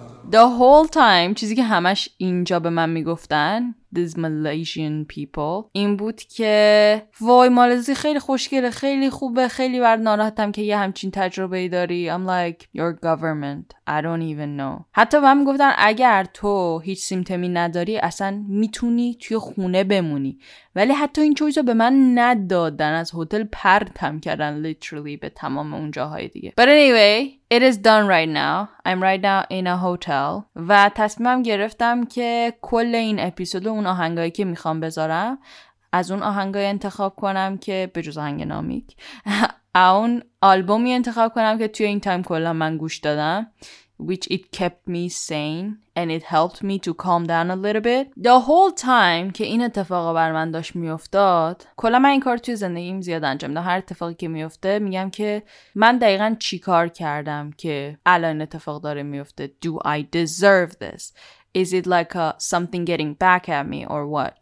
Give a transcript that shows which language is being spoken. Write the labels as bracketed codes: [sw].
[en] The whole time [fa] چیزی که همش اینجا به من میگفتن [en] these Malaysian people [fa] این بود که وای مالزی خیلی خوشگله، خیلی خوبه، خیلی برد ناراحتم که یه همچین تجربه داری. [en] I'm like your government, I don't even know. [fa] حتی به من میگفتن اگر تو هیچ سیمتمی نداری اصلا میتونی توی خونه بمونی، ولی حتی این چویزو به من ندادن، از هتل پرتم کردن literally به تمام اون جاهای دیگه. [en] But anyway it is done right now. I'm right now in a hotel. [fa] و تصمیمم گرفتم که کل این اپیزود و اون آهنگایی که میخوام بذارم از اون آهنگای انتخاب کنم که به جز آهنگ نامیک اون آلبومی انتخاب کنم که توی این تایم کلا من گوش دادم، [en] which it kept me sane and it helped me to calm down a little bit. The whole time [fa] که این اتفاقا بر من داشت میافتاد، کلا من این کار توی زندگیم زیاد انجام دادم. هر اتفاقی که میفته میگم که من دقیقا چی کار کردم که الان اتفاق داره میفته. [en] Do I deserve this? Is it like something getting back at me or what?